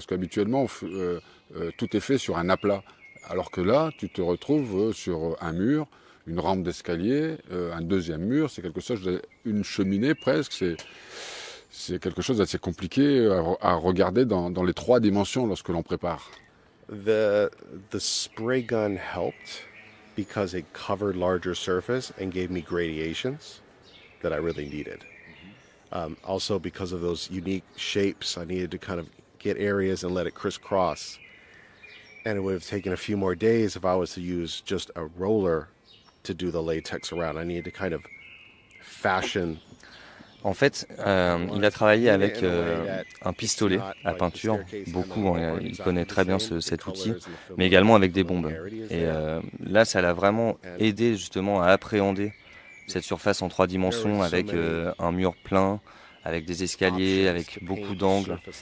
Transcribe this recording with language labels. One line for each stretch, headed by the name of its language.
French: Parce qu'habituellement, tout est fait sur un aplat, alors que là, tu te retrouves sur un mur, une rampe d'escalier, un deuxième mur, c'est quelque chose, une cheminée presque, c'est quelque chose d'assez compliqué à regarder dans les trois dimensions lorsque l'on prépare.
English: The spray gun helped because it covered larger surface and gave me gradations that I really needed. Also because of those unique shapes, I needed to kind of get areas and let it crisscross. And it would have taken a few more days if I was to use just a roller to do the latex around. I need to kind of fashion.
French: En fait, il a travaillé avec un pistolet à peinture, beaucoup, il connaît très bien cet outil, mais également avec des bombes. Et là, ça l'a vraiment aidé justement à appréhender cette surface en trois dimensions avec un mur plein, avec des escaliers, avec beaucoup d'angles.